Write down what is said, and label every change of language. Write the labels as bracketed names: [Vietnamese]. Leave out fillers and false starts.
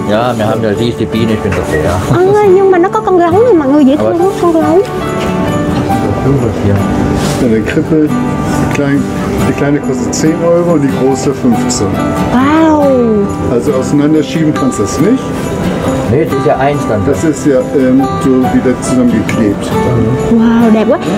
[German] Ja, wir haben eine riesige Biene, ich bin der Bär. [Vietnamese] Nhưng mà nó có con gấu thì mọi người dễ thương hơn con gấu. [German] Eine Krippe, die kleine kostet 10 Euro und die große 15. Wow. Also auseinanderschieben kannst du das nicht. Nee, das ist ja eins dann. Das ist ja so wieder zusammengeklebt. [Vietnamese] Wow, đẹp quá.